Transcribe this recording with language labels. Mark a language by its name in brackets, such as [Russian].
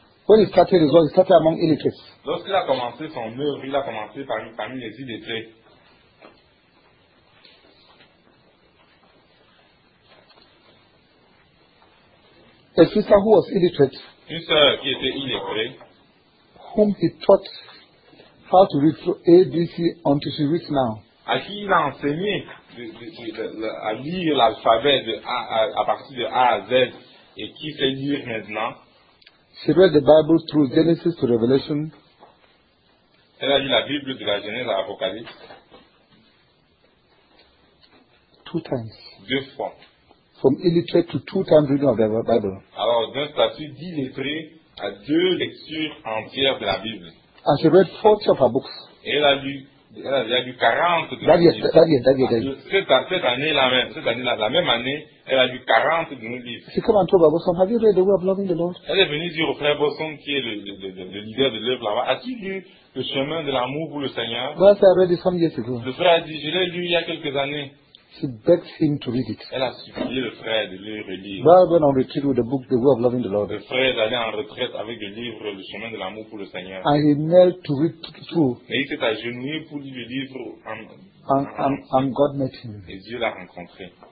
[English] When he started his work, he started among illiterates. [French] Lorsqu'il a commencé son œuvre, il a commencé parmi les illiterés. [English] A sister who was illiterate. [French] Une sœur qui était illiterée. [English] Whom he taught how to read through A, B, C until she reads now. [French] À qui il a enseigné à lire l'alphabet à partir de A à Z et qui sait lire maintenant. [English] She read the Bible through Genesis to Revelation. [French] Elle a lu la Bible de la Genèse à l'Apocalypse. [English] Two times. [French] Deux fois. [English] From illiterate to two times reading of the Bible. [French] Alors d'un statut d'illiteré à deux lectures entières de la Bible. [English] And she read 40 of her books. [French] Elle a lu 40 de cette année la même. Cette année la même année. Elle a lu 40 de nos livres. [English] She came and told Boston, "Have you read the way of loving the Lord?" [French] Elle est venue dire au frère Boston, qui est le leader de l'œuvre là-bas, "As-tu lu le chemin de l'amour pour le Seigneur?" [English] Well, I said, "I read it some years ago." [French] Le frère a dit, "Je l'ai lu il y a quelques années." [English] She begged him to read it. [French] Elle a supplié le frère de le relire. [English] Well, I went on retreat with the book, The Way of Loving the Lord. [French] Le frère est allé en retraite avec le livre, Le chemin de l'amour pour le Seigneur. [English] And he knelt to read through. [French] Mais il s'est agenouillé pour lire le livre. [English] And God met him. [French] Et Dieu l'a rencontré.